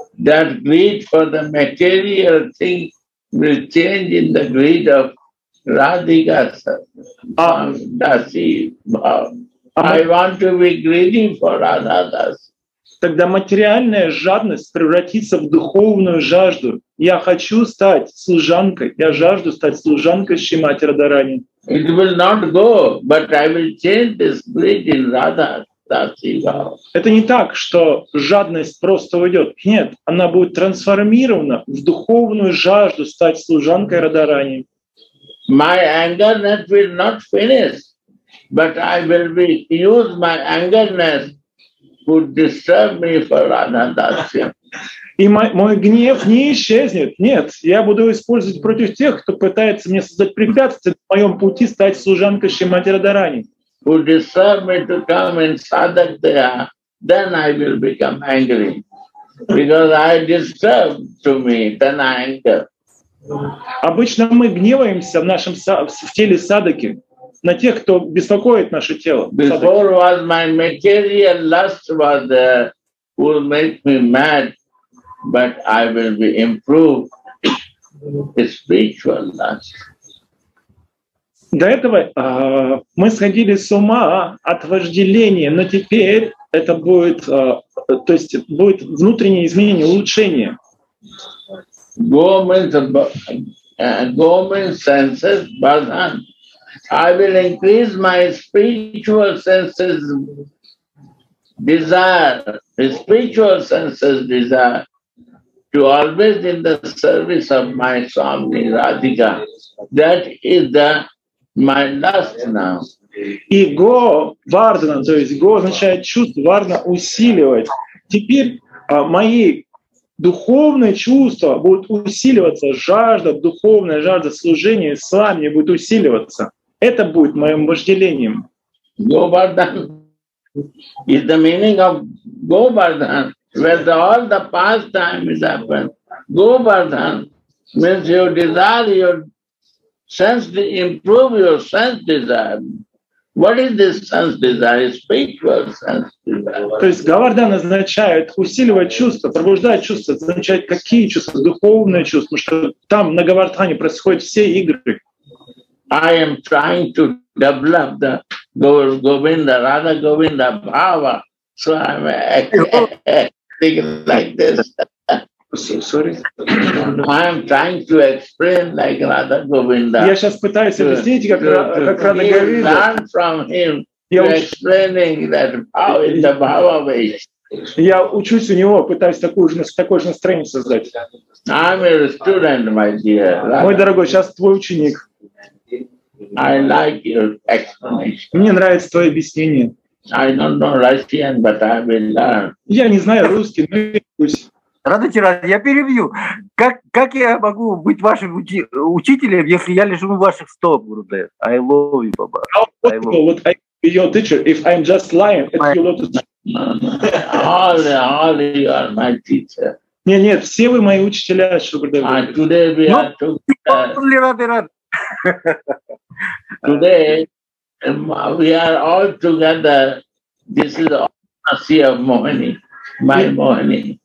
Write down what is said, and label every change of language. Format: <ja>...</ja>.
<en>That greed for the material thing will change in the greed of Radhika Dasi. I want to be greedy for Radha Dasi.</en> <ru>Тогда материальная жадность превратится в духовную жажду. Я хочу стать служанкой. Я жажду стать служанкой Шримати Радхарани.</ru> <en>It will not go, but I will change this greed in Radha.</en> <ru>Это не так, что жадность просто уйдет. Нет, она будет трансформирована в духовную жажду стать служанкой Радарани.</ru> <en>My anger will not finish, but I will be use my angerness to disturb me for Radha-dasya.</en> <ru>И мой гнев не исчезнет. Нет, я буду использовать против тех, кто пытается мне создать препятствия на моем пути стать служанкой Шримати Радарани.</ru> <en>Who disturb me to come in Sadakdaya, then I will become angry. Because I disturb to me, then I anger.</en> <ru>Обычно мы гневаемся в нашем в теле садаки на тех, кто беспокоит наше тело.</ru> <en>Before was my material lust was there, who make me mad, but I will be improved spiritual lust.</en> <ru>До этого мы сходили с ума от вожделения, но теперь это будет, то есть будет внутреннее изменение, улучшение.</ru> <en>Go means senses, bhajan. I will increase my spiritual senses desire, spiritual senses desire to always in the service of my Swami Radhika. That is the my lust now.</en> <ru>И го варна, то есть го означает чувство, варна усиливать. Теперь мои духовные чувства будут усиливаться, жажда, духовная жажда служения с вами будет усиливаться. Это будет моим вожделением.</ru> <en>Govardhan is the meaning of Govardhan, where all the past time is happened. Govardhan means your desire, your sense, improve your sense desire. What is this sense desire? Spiritual sense desire.</en> <ru>То есть Говардхан означает усиливать чувства, пробуждать чувства, означает какие чувства? Духовные чувства, потому что там на Говардхане происходят все игры.</ru> <en>I am trying to develop the Govinda, Radha Govinda Bhava. So I'm acting like this. Sorry. I am trying to explain like Radha Govinda.</en> <ru>Я сейчас пытаюсь объяснить, как Радха Говинда.</ru> <en>Learn from him to explaining that how in the Bhava way.</en> <ru>Я учусь у него, пытаюсь такое же настроение создать.</ru> <en>I'm a student, my dear.</en> <ru>Мой дорогой, сейчас твой ученик.</ru> <en>I like your explanation.</en> <ru>Мне нравится твое объяснение.</ru> <en>I don't know Russian, but I will learn.</en> <ru>Я не знаю русский, но я учусь. Радхачарья, я перебью. Как я могу быть вашим учителем, если я лежу у ваших стоп, Гурудев?</ru> <en>I love you, Baba. What I be your teacher if I'm just lying? It's your lotus. All you are my teacher.</en> <ru>Нет, все вы мои учителя, Шугурдев.</ru> <en>And today we are together. Today we are all together. This is all a sea of Mohini. My Mohini.</en>